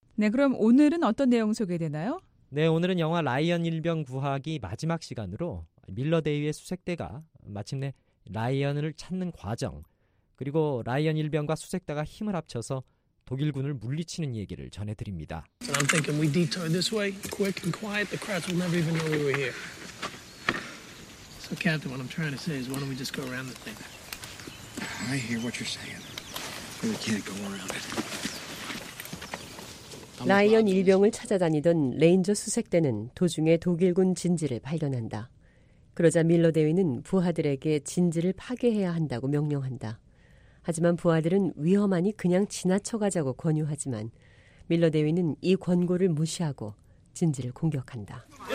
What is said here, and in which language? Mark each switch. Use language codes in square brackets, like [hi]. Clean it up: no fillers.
[ko] 네, 그럼 오늘은 어떤 내용 소개되나요? 네, 오늘은 영화 라이언 일병 구하기 마지막 시간으로 밀러 대위의 수색대가 마침내 라이언을 찾는 과정, 그리고 라이언 일병과 수색대가 힘을 합쳐서 독일군을 물리치는 얘기를 전해드립니다. [en] I'm thinking we detour this way, quick and quiet. The crowds will never even know we were here. So, Captain, what I'm trying to say is, why don't we just go around the thing? I hear what you're saying, but we can't go around it. [ko] 라이언 일병을 찾아다니던 레인저 수색대는 도중에 독일군 진지를 발견한다. 그러자 밀러 대위는 부하들에게 진지를 파괴해야 한다고 명령한다. 하지만 부하들은 위험하니 그냥 지나쳐가자고 권유하지만 밀러 대위는 이 권고를 무시하고 진지를 공격한다.